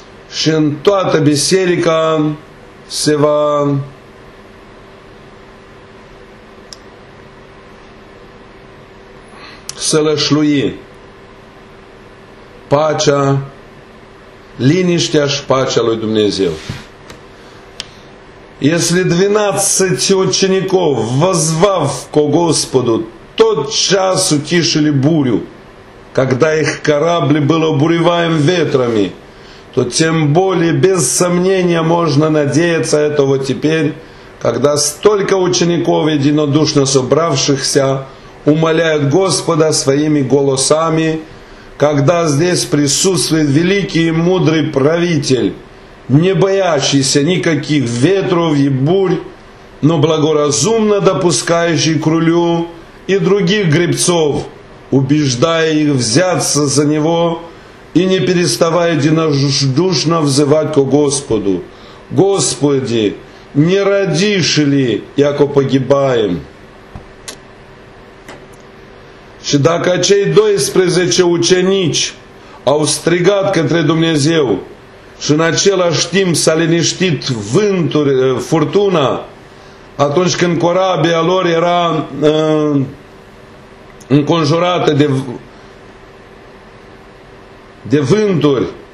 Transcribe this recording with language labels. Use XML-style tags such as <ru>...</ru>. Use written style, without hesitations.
<ro>Și în toată biserica se va sălășlui pacea, liniștea și pacea lui Dumnezeu.</ro> <ru>Если 12 учеников, воззвав ко Господу, тот час утишили бурю, когда их корабль был обуреваем ветрами, то тем более без сомнения можно надеяться этого теперь, когда столько учеников, единодушно собравшихся, умоляют Господа своими голосами, когда здесь присутствует великий и мудрый правитель, не боящийся никаких ветров и бурь, но благоразумно допускающий к рулю и других гребцов, убеждая их взяться за него и не переставая единодушно взывать ко Господу: «Господи, не родишь ли, яко погибаем?»</ru> <ro>Și dacă cei 12 ucenici au strigat către Dumnezeu și în același timp s-a liniștit vântul, furtuna, atunci când corabia lor era înconjurată de vânturi,</ro>